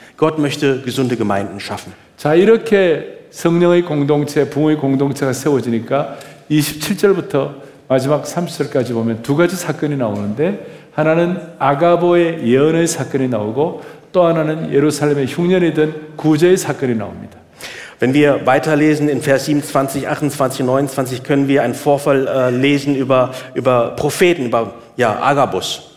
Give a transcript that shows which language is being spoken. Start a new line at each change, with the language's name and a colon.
German: Gott möchte gesunde Gemeinden schaffen.
Korean: 자, 이렇게 성령의 공동체, 부흥의 공동체가 세워지니까 27절부터 마지막 30절까지 보면 두 가지 사건이 나오는데 하나는 아가보의 예언의 사건이 나오고 또 하나는 예루살렘의 흉년이 된 구제의 사건이 나옵니다.
German: Wenn wir weiterlesen in Vers 27, 28, 29 können wir einen Vorfall lesen über Propheten, über ja, Agabus.